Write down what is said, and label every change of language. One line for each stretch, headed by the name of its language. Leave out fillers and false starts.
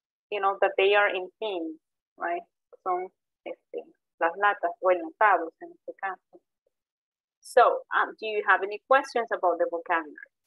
English: You know, that they are in tin, right?
Spanish: Son las latas o enlatados en este caso.
English: So, do you have any questions about the vocabulary?